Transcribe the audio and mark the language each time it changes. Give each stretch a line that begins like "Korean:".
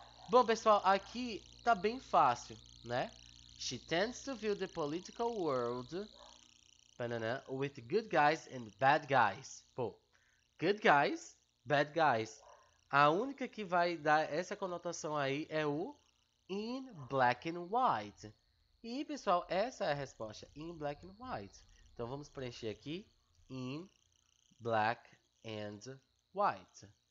Portuguese: Bom, pessoal, aqui tá bem fácil, né?
English: She tends to view the political world with good guys and bad guys. Pô, good guys, bad guys.
Portuguese: A única que vai dar essa conotação aí é o
English: in black and white.
Portuguese: E, pessoal, essa é a resposta,
English: in black and white.
Portuguese: Então, vamos preencher aqui, in black and white.